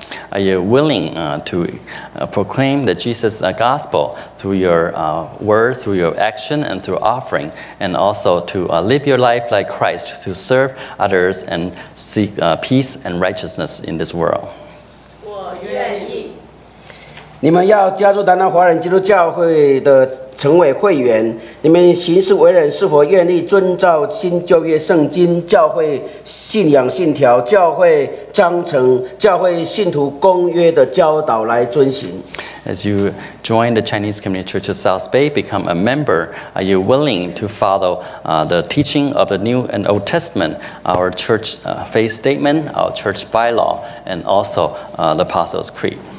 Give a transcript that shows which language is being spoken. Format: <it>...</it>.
<en>？Are you willing to proclaim the Jesus gospel through your words, through your action, and through offering, and also to live your life like Christ to serve others and seek peace and righteousness in this world?</en> <zh>我愿意。你们要加入台南华人基督教会的成为会员，你们行事为人是否愿意遵照新旧约圣经、教会信仰信条、教会章程、教会信徒公约的教导来遵行</zh> <en>？As you join the Chinese Community Church of South Bay, become a member, are you willing to follow the teaching of the New and Old Testament, our church faith statement, our church bylaw, and also the Apostles' Creed?</en>